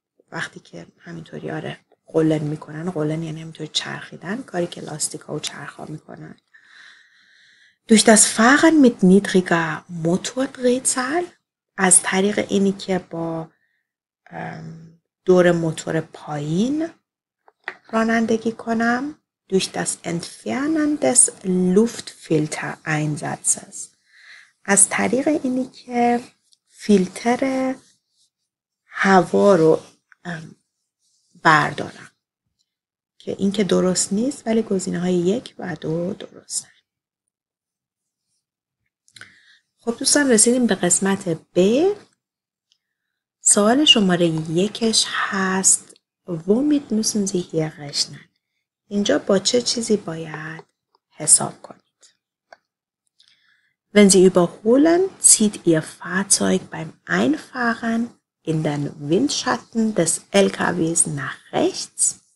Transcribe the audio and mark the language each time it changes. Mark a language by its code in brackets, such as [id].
[fa] وقتی که همینطوری آره قلن میکنن، قلن یعنی همینطوری چرخیدن، کاری که لاستیک ها و چرخ ها میکنن. [de] Durch das Fahren mit niedriger Motordrehzahl, [fa] از طریق اینی که با دور موتور پایین رانندگی کنم. [de] Durch das Entfernen des Luftfilter-Einsatzes. [fa] از طریق اینی که فیلتر هوا رو بردارم. که این که درست نیست ولی گزینه های 1 و 2 درست هست. خب دوستان رسیدیم به قسمت B. سوال شماره 1 هست. [de] Womit müssen Sie hier rechnen? [fa] اینجا با چه چیزی باید حساب کنید؟ [de] Wenn Sie überholen, zieht Ihr Fahrzeug beim Einfahren in den Windschatten des LKWs nach rechts.